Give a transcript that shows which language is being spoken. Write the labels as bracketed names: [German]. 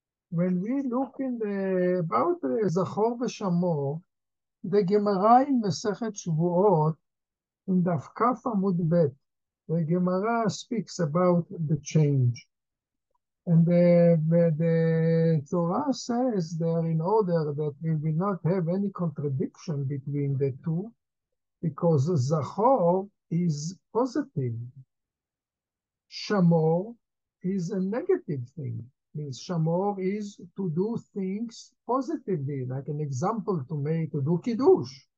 [English] When we look in the about the Zachor v'Shamor, [Hebrew] בגמרא עם מסכת שבועות, עם דף כף עמוד ב', בגמרא [English] speaks about the change. And the Torah says there in order that we will not have any contradiction between the two, because Zachor is positive. Shamor is a negative thing. Means Shamor is to do things positively, like an example to make to do Kiddush.